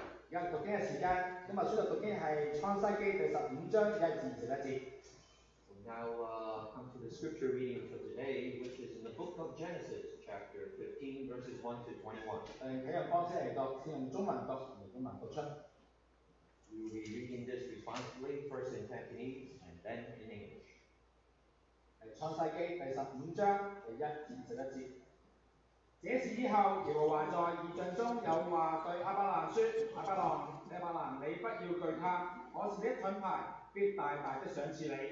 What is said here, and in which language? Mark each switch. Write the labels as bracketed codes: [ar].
[yue] 有讀經嘅時間，咁啊，書讀經係創世記第十五章一至十一節。 [en] So now, come to the scripture reading for today, which is in the book of Genesis, chapter 15, verses 1 to 21. [yue] 誒，請用方式嚟讀，先用中文讀，用英文讀出。 [en] We will be reading this responsibly, first in Cantonese and then in English. [yue] 誒，創世記第十五章第一至十一節。這事以後，耶和華在異象中有話對亞伯蘭說：亞伯蘭，亞伯蘭，你不要懼怕，我是一盾牌，必大大的賞賜你。